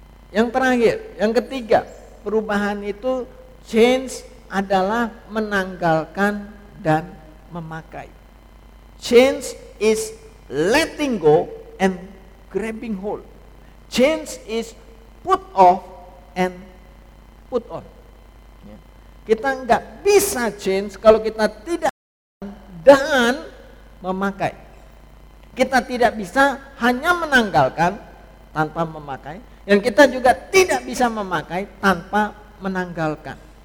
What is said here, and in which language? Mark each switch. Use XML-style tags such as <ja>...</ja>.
<id>Yang terakhir, yang ketiga, perubahan itu, change adalah menanggalkan dan memakai.</id> <en>Change is letting go and grabbing hold. Change is put off and put on.</en> <id>Kita enggak bisa change kalau kita tidak dan memakai. Kita tidak bisa hanya menanggalkan tanpa memakai. Dan kita juga tidak bisa memakai tanpa menanggalkan.</id>